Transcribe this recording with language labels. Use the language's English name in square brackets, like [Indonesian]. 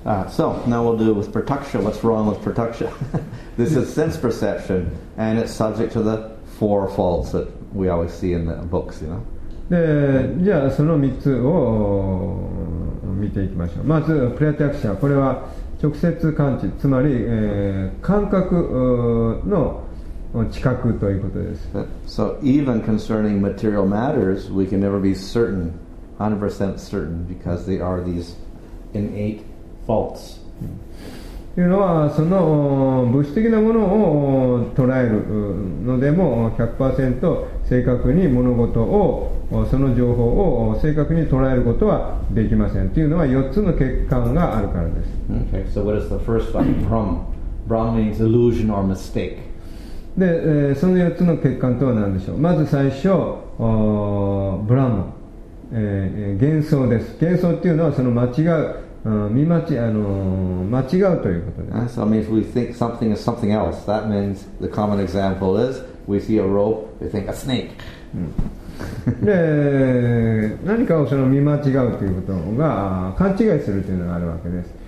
[English] So now we'll do with pratyaksha. What's wrong with pratyaksha? This is sense perception and it's subject to the four faults that we always see in the books, you know. [Japanese] でじゃあその3つを見ていきましょう。まずプラティアクシャ、これは直接感知、つまり、感覚の知覚ということです。 [English] So even concerning material matters we can never be certain 100% certain because they are these innate faults、 [Japanese] というのはその物質的なものを捉えるのでも 100% 正確に物事をその情報を正確に捉えることはできませんというのは4つの欠陥があるからです。 [English] Okay, so what is the first one? Brahm. Brahm means illusion or mistake. [Japanese] で、その4つの欠陥とは何でしょう。まず最初ブラム、幻想です。幻想というのはその間違う、間違うということです。 [English] So I mean, if we think something is something else, that means the common example is we see a rope, we think a snake. [Japanese] で何かをその見間違うということが勘違いするというのがあるわけです。